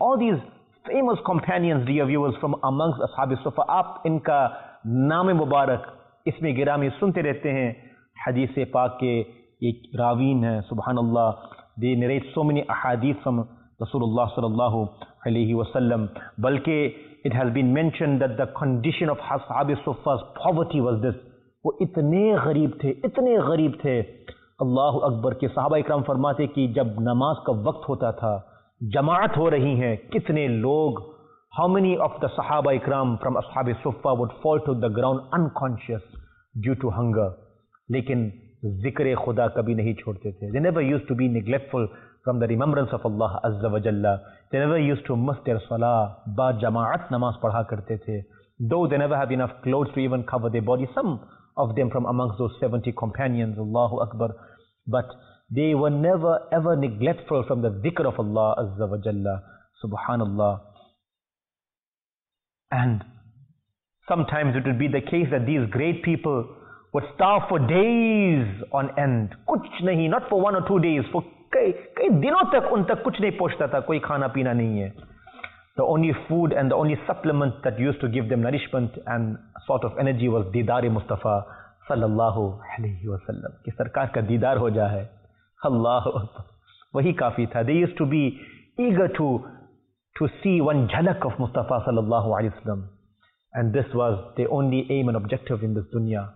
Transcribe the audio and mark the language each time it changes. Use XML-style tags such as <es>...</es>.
<en>All these famous companions, dear viewers, from amongst</en> <ur>اصحاب الصفہ, آپ ان کا نام مبارک اسم گرامی سنتے رہتے ہیں. حدیث پاک کے ایک راوین ہیں, سبحان اللہ,</ur> <en>they narrate so many</en> <ur>احادیث from رسول اللہ صلی اللہ علیہ وسلم.</ur> <en>بلکہ it has been mentioned that the condition of Ashab-e Suffa's poverty was this.</en> <ur>وہ اتنے غریب تھے, اتنے غریب تھے. اللہ اکبر کے صحابہ اکرام فرماتے کہ جب نماز کا وقت ہوتا تھا, جماعت ہو رہی ہیں, کتنے لوگ,</ur> <en>how many of the صحابہ اکرام from Ashab-e Suffa would fall to the ground unconscious due to hunger.</en> <ur>لیکن ذکر خدا کبھی نہیں چھوڑتے تھے.</ur> <en>They never used to be neglectful from the remembrance of Allah Azza wa Jalla. They never used to miss their salah.</en> <ur>Ba jama'at namaz padha karte the.</ur> <en>Though they never have enough clothes to even cover their body, some of them from amongst those 70 companions, Allahu Akbar. But they were never ever neglectful from the dhikr of Allah Azza wa Jalla. Subhanallah. And sometimes it would be the case that these great people would starve for days on end.</en> <ur>Kuch nahi,</ur> <en>not for one or two days, for</en> <ur>کئی دنوں تک ان تک کچھ نہیں پہنچتا تھا, کوئی کھانا پینا نہیں ہے.</ur> <en>The only food and the only supplement that used to give them nourishment and sort of energy was</en> <ur>دیدار مصطفیٰ صلی اللہ علیہ وسلم, کہ سرکار کا دیدار ہو جائے, اللہ وہی کافی تھا.</ur> <en>They used to be eager to see one jhalak of Mustafa صلی اللہ علیہ وسلم, and this was their only aim and objective in this dunya.</en>